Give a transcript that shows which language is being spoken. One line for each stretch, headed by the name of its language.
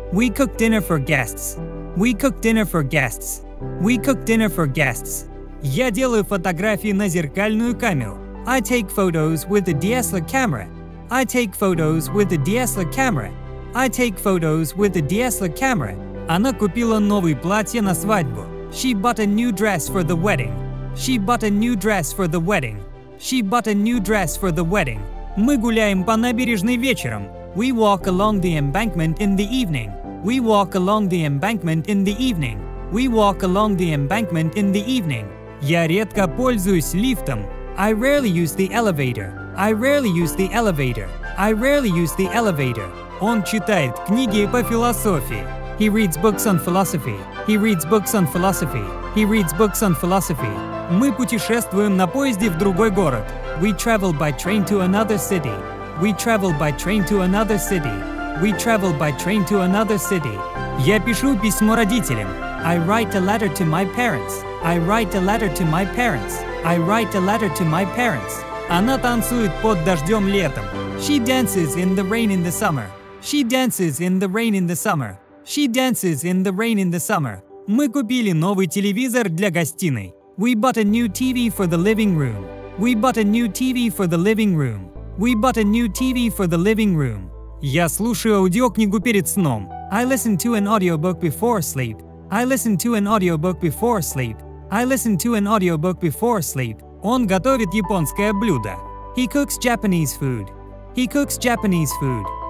English: We cook dinner for guests. We cook dinner for guests. We cook dinner for guests.
Russian: Я делаю фотографии на зеркальную камеру.
English: I take photos with a DSLR camera. I take photos with a DSLR camera. I take photos with a DSLR camera.
Russian: Она купила новое платье на свадьбу.
English: She bought a new dress for the wedding. She bought a new dress for the wedding. She bought a new dress for the wedding.
Russian: Мы гуляем по набережной вечером.
English: We walk along the embankment in the evening. We walk along the embankment in the evening. We walk along the embankment in the evening.
Russian: Я редко пользуюсь лифтом.
English: I rarely use the elevator. I rarely use the elevator. I rarely use the elevator.
Russian: Он читает книги по философии.
English: He reads books on philosophy. He reads books on philosophy. He reads books on philosophy.
Russian: Мы путешествуем на поезде в другой город.
English: We travel by train to another city. We travel by train to another city. We travel by train to another city.
Russian: Я пишу письмо родителям.
English: I write a letter to my parents. I write a letter to my parents. I write a letter to my parents.
Russian: Она танцует под дождем летом.
English: She dances in the rain in the summer. She dances in the rain in the summer. She dances in the rain in the summer.
Russian: Мы купили новый телевизор для гостиной.
English: We bought a new TV for the living room. We bought a new TV for the living room. We bought a new TV for the living room.
Russian: Я слушаю аудиокнигу перед сном.
English: I listen to an audiobook before sleep. I listen to an audiobook before sleep. I listen to an audiobook before sleep.
Russian: Он готовит японское блюдо.
English: He cooks Japanese food. He cooks Japanese food.